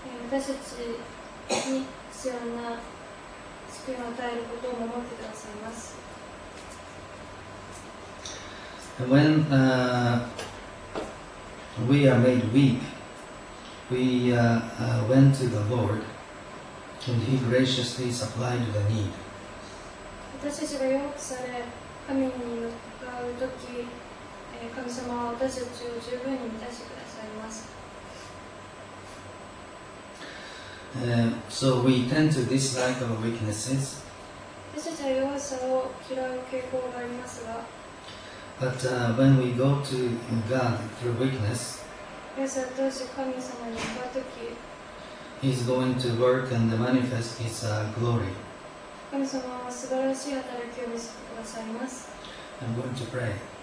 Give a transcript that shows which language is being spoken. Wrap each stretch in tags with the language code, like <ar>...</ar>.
<ja>私たちに必要な救いを与えることを守ってくださいます。</ja> <en>When we are made weak, we went to the Lord, and He graciously supplied the need.</en> <ja>私たちが弱くされ、神に向かうとき、神様は私たちを十分に満たしてくださいます。</ja> <en>So we tend to dislike our weaknesses.</en> <ja>私たちは弱さを嫌う傾向がありますが、</ja> <en>But when we go to God through weakness, He is going to work and manifest His glory. I'm going to pray.</en>